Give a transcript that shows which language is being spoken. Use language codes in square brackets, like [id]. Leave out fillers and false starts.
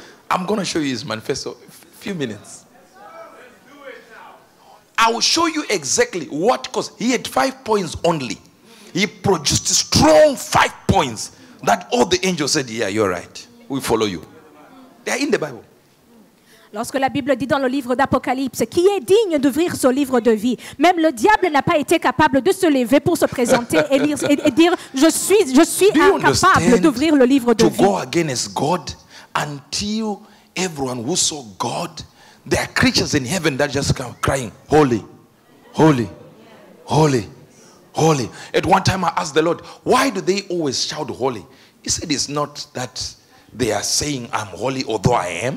[en] I'm going to show you his manifesto in a few minutes. I will show you exactly what, because he had 5 points only. He produced strong 5 points that all the angels said, yeah, you're right. We follow you. They are in the Bible. [fr] Lorsque la Bible dit dans le livre d'Apocalypse, qui est digne d'ouvrir ce livre de vie, même le diable n'a pas été capable de se lever pour se présenter et lire, et dire, je suis incapable d'ouvrir le livre de to vie. [en] To go against God until everyone who saw God. There are creatures in heaven that just come crying, holy, holy, holy, holy. At one time I asked the Lord, why do they always shout holy? He said, it's not that they are saying I'm holy, although I am.